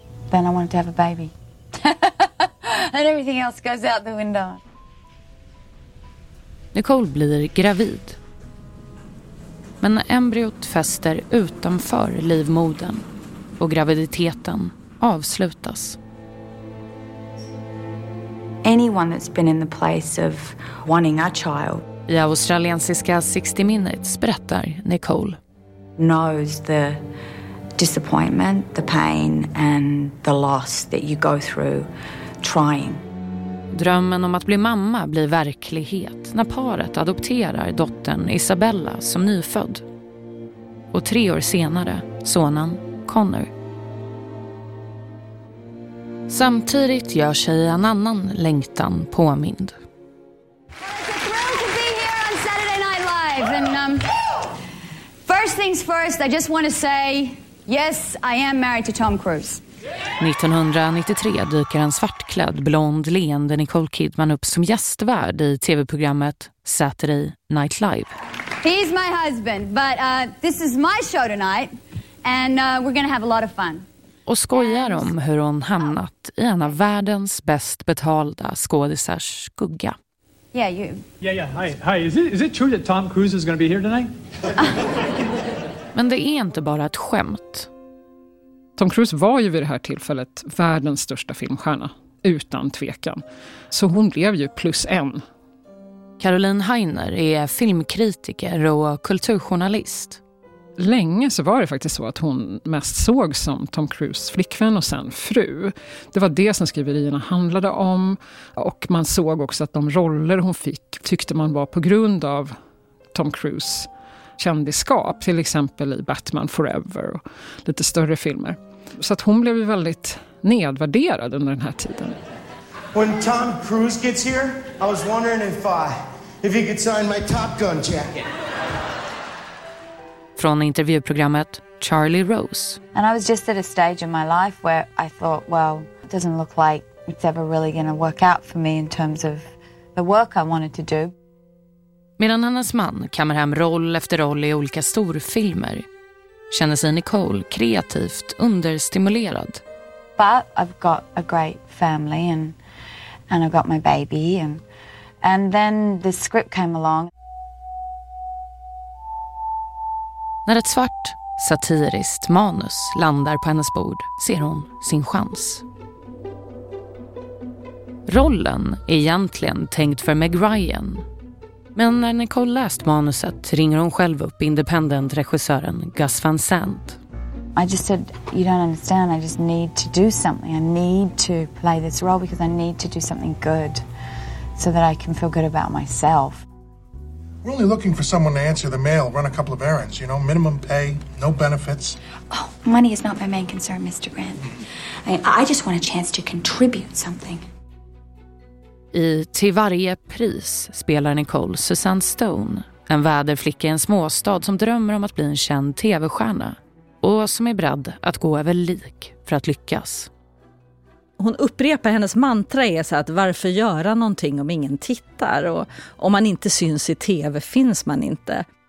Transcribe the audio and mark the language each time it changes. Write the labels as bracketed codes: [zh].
[en] Then I wanted to have a baby. And everything else goes out the window. [sv] Nicole blir gravid. Men embryot fäster utanför livmodern och graviditeten avslutas. [en] Anyone that's been in the place of wanting a child. [sv] I australiensiska 60 Minutes berättar Nicole. [en] Knows the disappointment, the pain and the loss that you go through trying. [sv] Drömmen om att bli mamma blir verklighet när paret adopterar dottern Isabella som nyfödd. Och 3 år senare sonen Connor. Samtidigt gör sig en annan längtan påmind. [en] First things first, I just want to say yes, I am married to Tom Cruise. [sv] 1993 dyker en svartklädd, blond, leende Nicole Kidman upp som gästvärd i TV-programmet Saturday Night Live. [en] He's my husband, but this is my show tonight and we're going to have a lot of fun. [sv] Och skojar om hur hon hamnat i en av världens bäst betalda skådisars skugga. [en] Yeah, you. Yeah, yeah. Hi. Is it true that Tom Cruise is going to be here tonight? [sv] Men det är inte bara ett skämt. Tom Cruise var ju vid det här tillfället världens största filmstjärna, utan tvekan. Så hon blev ju plus en. Caroline Heiner är filmkritiker och kulturjournalist. Länge så var det faktiskt så att hon mest såg som Tom Cruise flickvän och sen fru. Det var det som skriverierna handlade om. Och man såg också att de roller hon fick tyckte man var på grund av Tom Cruise kändiskap. Till exempel i Batman Forever och lite större filmer. Så att hon blev ju väldigt nedvärderad under den här tiden. [en] When Tom Cruise gets here, I was wondering if he could sign my Top Gun jacket. [sv] Från intervjuprogrammet Charlie Rose. [en] And I was just at a stage in my life where I thought, well, it doesn't look like it's ever really going to work out for me in terms of the work I wanted to do. [sv] Medan hennes man kammar hem roll efter roll i olika storfilmer, känner sig Nicole kreativt understimulerad. [en] But I've got a great family and I've got my baby and then the script came along. [sv] När ett svart, satiriskt manus landar på hennes bord ser hon sin chans. Rollen är egentligen tänkt för Meg Ryan. Men när Nicole läst manuset ringer hon själv upp independent-regissören Gus Van Sant. [en] I just said, you don't understand, I just need to do something. I need to play this role because I need to do something good so that I can feel good about myself. We're only looking for someone to answer the mail, run a couple of errands, you know, minimum pay, no benefits. Oh, money is not my main concern, Mr. Grant. I just want a chance to contribute something. [sv] I Till varje pris spelar Nicole Susan Stone, en väderflicka i en småstad som drömmer om att bli en känd tv-stjärna och som är beredd att gå över lik för att lyckas. Hon upprepar hennes mantra är så att varför göra någonting om ingen tittar och om man inte syns i tv finns man inte.